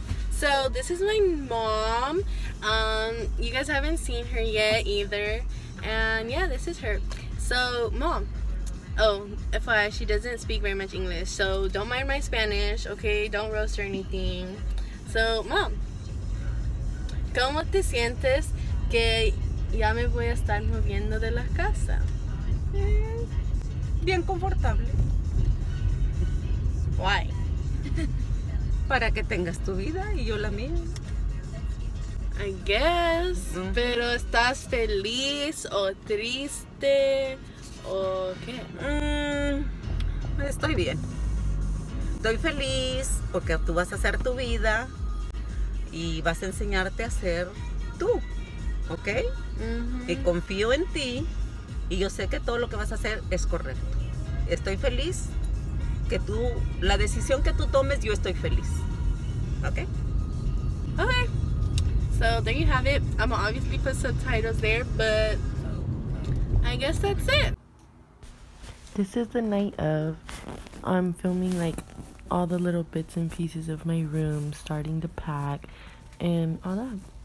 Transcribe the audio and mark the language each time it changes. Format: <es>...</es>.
<en>So, this is my mom. You guys haven't seen her yet either. And yeah, this is her. So, mom. Oh, FYI, she doesn't speak very much English, so don't mind my Spanish, okay? Don't roast or anything. So, mom,</en> <es>¿cómo te sientes que ya me voy a estar moviendo de la casa? Bien confortable.</es> <en>Why?</en> <es>Para que tengas tu vida y yo la mía.</es> <en>I guess. Mm-hmm.</en> <es>Pero ¿estás feliz o triste o qué? Estoy bien. Estoy feliz porque tú vas a hacer tu vida. Y vas a enseñarte a ser tú, ¿ok? Uh-huh. Y confío en ti. Y yo sé que todo lo que vas a hacer es correcto. Estoy feliz que tú, la decisión que tú tomes, yo estoy feliz. ¿Ok?</es> <en>Ok. So, there you have it. I'm gonna obviously put subtitles there, but I guess that's it. This is the night of. I'm filming, like, all the little bits and pieces of my room, starting to pack and all that.</en>